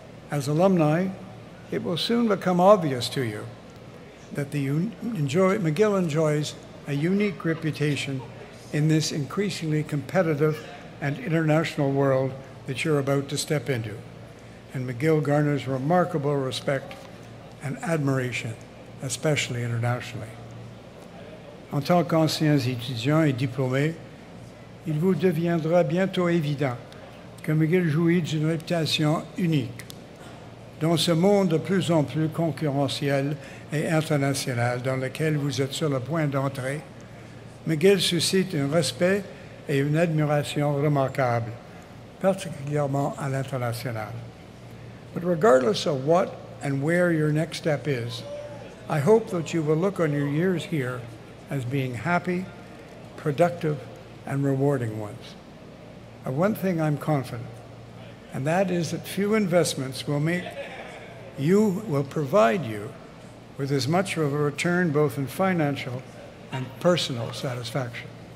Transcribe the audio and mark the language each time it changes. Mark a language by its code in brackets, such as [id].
[en] As alumni, it will soon become obvious to you that McGill enjoys a unique reputation in this increasingly competitive and international world that you're about to step into. And McGill garners remarkable respect and admiration, especially internationally. [fr] En tant qu'anciens étudiants et diplômés, il vous deviendra bientôt évident que McGill jouit d'une réputation unique dans ce monde de plus en plus concurrentiel et international dans lequel vous êtes sur le point d'entrer. McGill suscite un respect et une admiration remarquables, particulièrement à l'international. [en] But regardless of what and where your next step is, I hope that you will look on your years here as being happy, productive, and rewarding ones. Of one thing I'm confident, and that is that few investments will provide you with as much of a return both in financial and personal satisfaction.